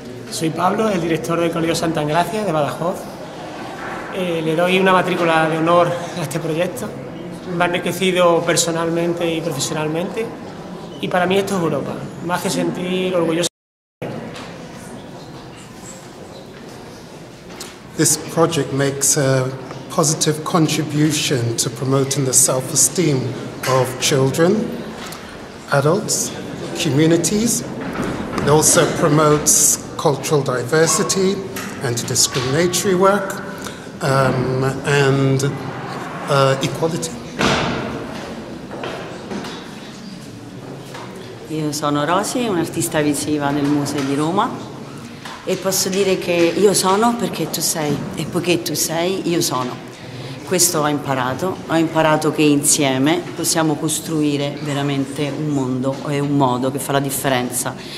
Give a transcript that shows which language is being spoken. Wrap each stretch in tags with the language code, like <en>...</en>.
<es>Soy Pablo, el director del Colegio Santa Engracia de Badajoz. Le doy una matrícula de honor a este proyecto. Me ha enriquecido personalmente y profesionalmente. Y para mí esto es Europa. Me hace sentir orgulloso.</es> <en>This project makes a positive contribution to promoting the self-esteem of children, adults, communities. It also promotes cultural diversity, anti-discriminatory work, and equality.</en> <it>Io sono Rosy, un'artista visiva nel Museo di Roma e posso dire che io sono perché tu sei e poiché tu sei, io sono. Questo ho imparato che insieme possiamo costruire veramente un mondo e un modo che fa la differenza.</it>